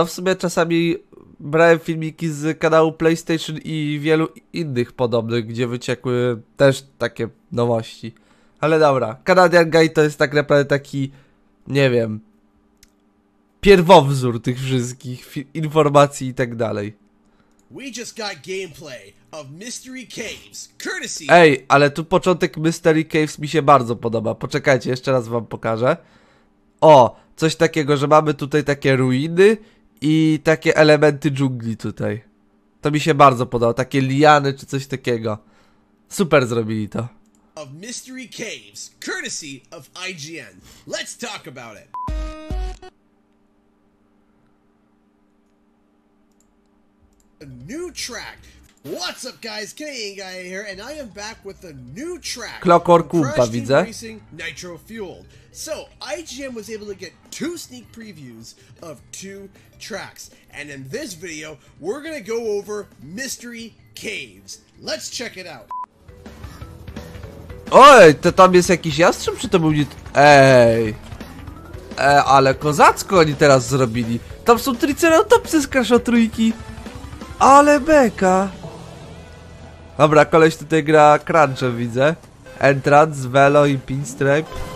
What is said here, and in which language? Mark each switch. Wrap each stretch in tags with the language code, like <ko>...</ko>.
<pl>No w sumie czasami brałem filmiki z kanału PlayStation i wielu innych podobnych, gdzie wyciekły też takie nowości. Ale dobra, Canadian Guy to jest tak naprawdę taki, nie wiem, pierwowzór tych wszystkich informacji i tak dalej.</pl> <en>We just got gameplay of Mystery Caves, courtesy...</en> <pl>Ej, ale tu początek Mystery Caves mi się bardzo podoba. Poczekajcie, jeszcze raz wam pokażę. O, coś takiego, że mamy tutaj takie ruiny i takie elementy dżungli tutaj. To mi się bardzo podoba, takie liany czy coś takiego. Super zrobili to.</pl> <en>Of Mystery Caves, courtesy of IGN. Let's talk about it. A new track. What's up, guys? Canadian Guy here, and I am back with a new track.</en> <pl>Clockwork Oompa, widzę.</pl> <en>Crash Team Racing Nitro Fueled. So IGN was able to get two sneak previews of two tracks, and in this video, we're gonna go over Mystery Caves. Let's check it out.</en> <pl>Oj, to tam jest jakiś jastrzem, czy to był nie? Ej, ale kozacko oni teraz zrobili. Tam są triceratopsy z Crash Trójki. Ale beka! Dobra, koleś tutaj gra crunchem, widzę. Entrance, velo i pinstripe.</pl>